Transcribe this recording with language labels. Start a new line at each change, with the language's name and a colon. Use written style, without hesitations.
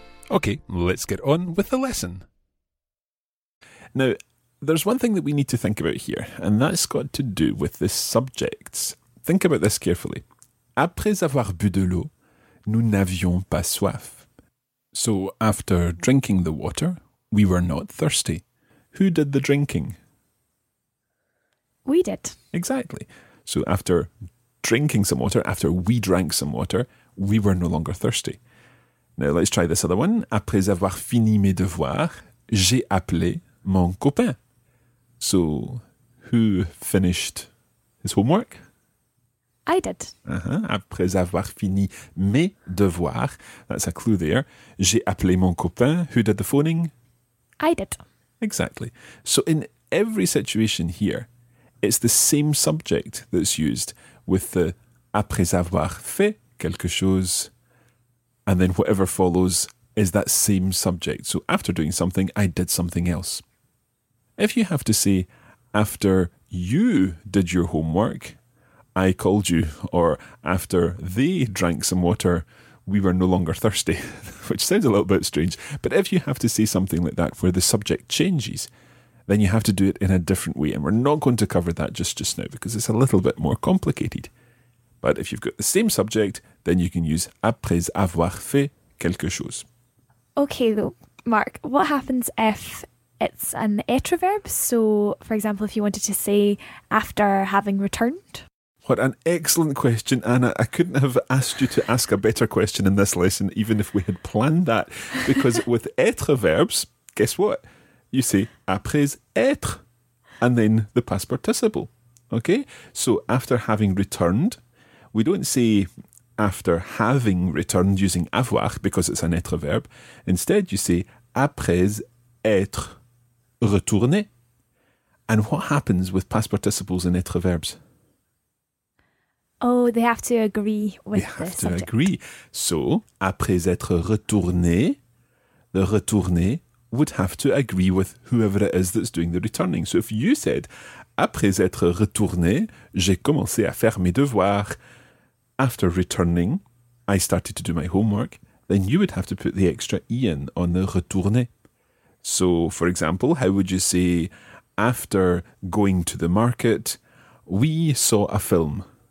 English: Okay, let's get on with the lesson. Now, there's one thing that we need to think about here, and that's got to do with the subjects. Think about this carefully.
French: Après avoir bu de l'eau, nous n'avions pas soif.
English: So, after drinking the water, we were not thirsty. Who did the drinking? We did. Exactly. So, after drinking some water, after we drank some water, we were no longer thirsty. Now, let's try this other one.
French: Après avoir fini mes devoirs, j'ai appelé mon copain.
English: So, who finished his homework? I did.
French: Après avoir fini mes devoirs,
English: that's a clue there.
French: J'ai appelé mon copain.
English: Who did the phoning? I did. Exactly. So, in every situation here, it's the same subject that's used with the
French: après avoir fait quelque chose.
English: And then whatever follows is that same subject. So after doing something, I did something else. If you have to say, after you did your homework, I called you. Or after they drank some water, we were no longer thirsty. Which sounds a little bit strange. But if you have to say something like that where the subject changes, then you have to do it in a different way. And we're not going to cover that just now because it's a little bit more complicated. But if you've got the same subject, then you can use
French: après avoir fait quelque chose.
English: Okay, though, Mark, what happens if it's an etroverb? So, for example, if you wanted to say after having returned? What an excellent question, Anna. I couldn't have asked you to ask a better question in this lesson, even if we had planned that. Because with etroverbs, guess what? You say après être and then the past participle. Okay, so after having returned. We don't say after having returned using avoir because it's an être verb. Instead, you say
French: après être retourné.
English: And what happens with past participles and être verbs? Oh, they have to agree with the subject. They have to agree. So,
French: après être retourné,
English: the retourné would have to agree with whoever it is that's doing the returning. So, if you said
French: après être retourné, j'ai commencé à faire mes devoirs.
English: After returning, I started to do my homework, then you would have to put the extra E in on the retourner. So, for example, how would you say, after going to the market, we saw a film?